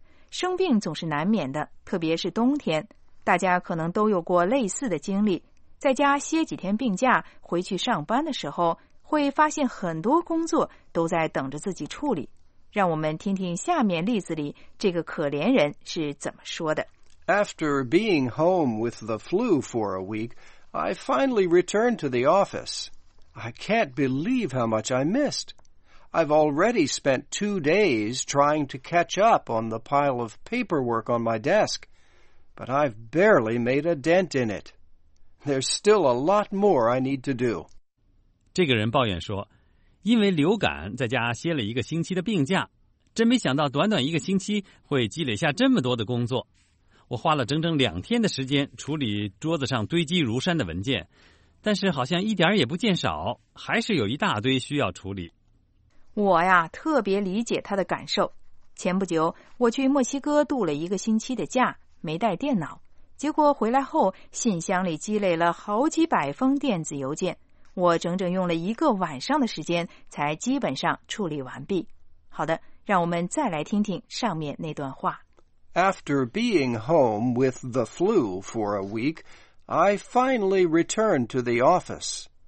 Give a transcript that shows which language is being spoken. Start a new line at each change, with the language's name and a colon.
Chinese: 生病总是难免的，特别是冬天，大家可能都有过类似的经历，在家歇几天病假，回去上班的时候会发现很多工作都在等着自己处理。让我们听听下面例子里这个可怜人是怎么说的。
English: After being home with the flu for a week, I finally returned to the office. I can't believe how much I missed. I've already spent 2 days trying to catch up on the pile of paperwork on my desk, but I've barely made a dent in it. There's still a lot more I need to do.
Chinese: 这个人抱怨说，因为流感在家歇了一个星期的病假，真没想到短短一个星期会积累下这么多的工作。我花了整整2天的时间处理桌子上堆积如山的文件，但是好像一点也不见少，还是有一大堆需要处理。我呀，特别理解他的感受。前不久，我去墨西哥度了一个星期的假，没带电脑。结果回来后，信箱里积累了好几百封电子邮件，我整整用了一个晚上的时间才基本上处理完毕。好的，让我们再来听听上面那段话。
English: After being home with the flu for a week, I finally returned to the office.